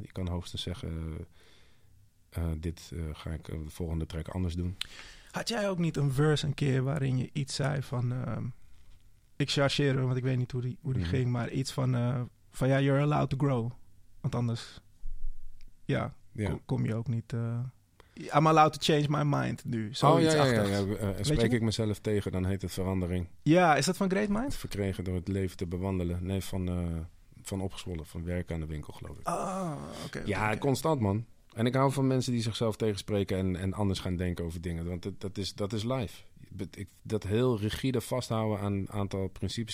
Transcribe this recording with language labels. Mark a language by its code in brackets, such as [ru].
[nl] Je kan hoogstens zeggen, dit ga ik de volgende track anders doen. Had jij ook niet een verse een keer waarin je iets zei van... ik chargeer hem, want ik weet niet hoe die ging. Maar iets van ja, [en] you're allowed to grow. [nl] Want anders kom je ook niet... [en] I'm allowed to change my mind nu. [nl] Spreek ik mezelf tegen, dan heet het verandering. Ja, is dat van Great Mind? Verkregen door het leven te bewandelen. Nee, van Opgezwollen, van Werk aan de Winkel, geloof ik. Oh, okay, ja, okay. Constant, man. En ik hou van mensen die zichzelf tegenspreken en anders gaan denken over dingen. Want dat is life. Dat heel rigide vasthouden aan een aantal principes.